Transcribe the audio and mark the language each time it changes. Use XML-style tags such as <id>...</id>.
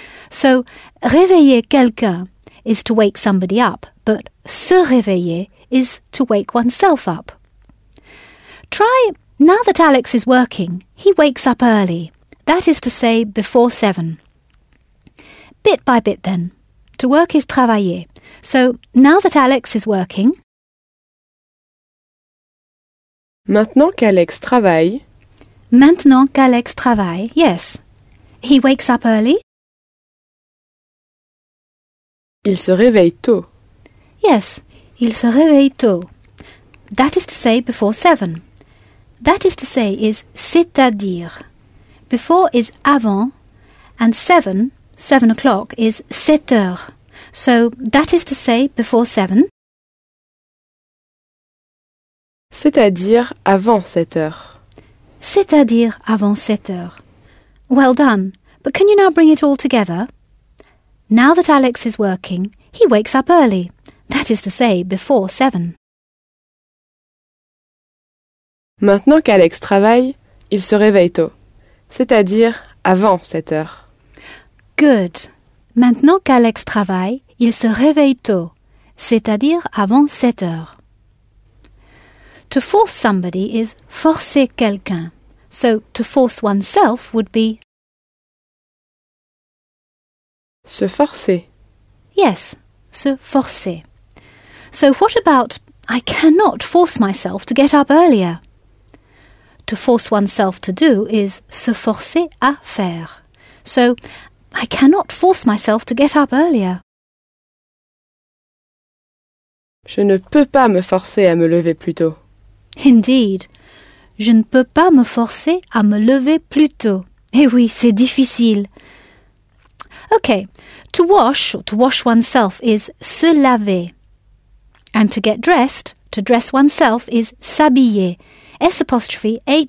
<en>So,</en> <fr>réveiller quelqu'un</fr> <en>is to wake somebody up, but</en> <fr>se réveiller</fr> <en>is to wake oneself up. Try, now that Alex is working, he wakes up early. That is to say, before 7. Bit by bit then. To work is travailler. So, now that Alex is working.</en> <fr>Maintenant qu'Alex travaille. Maintenant qu'Alex travaille, yes.</fr> <en>He wakes up early.</en> <fr>Il se réveille tôt.</fr> <en>Yes,</en> <fr>il se réveille tôt.</fr> <en>That is to say, before 7. That is to say is</en> <fr>c'est-à-dire.</fr> <en>Before is avant, and 7 o'clock, is</en> <fr>7 heures.</fr> <en>So, that is to say, before 7.</en> <fr>C'est-à-dire avant 7 heures. C'est-à-dire avant 7 heures.</fr> <en>Well done. But can you now bring it all together? Now that Alex is working, he wakes up early. That is to say, before 7.</en> <fr>Maintenant qu'Alex travaille, il se réveille tôt. C'est-à-dire avant 7 heures.</fr> <en>Good.</en> <fr>Maintenant qu'Alex travaille, il se réveille tôt. C'est-à-dire avant 7 heures.</fr> <en>To force somebody is</en> <fr>forcer quelqu'un.</fr> <en>So, to force oneself would be</en> <fr>se forcer. Yes, se forcer.</fr> <en>So, what about I cannot force myself to get up earlier? To force oneself to do is</en> <fr>se forcer à faire.</fr> <en>So, I cannot force myself to get up earlier.</en> <fr>Je ne peux pas me forcer à me lever plus tôt.</fr> <en>Indeed.</en> <fr>Je ne peux pas me forcer à me lever plus tôt. Eh oui, c'est difficile.</fr> <en>Okay, to wash or to wash oneself is</en> <fr>se laver.</fr> <en>And to dress oneself is</en> <fr>s'habiller. S'HABILLER.</fr>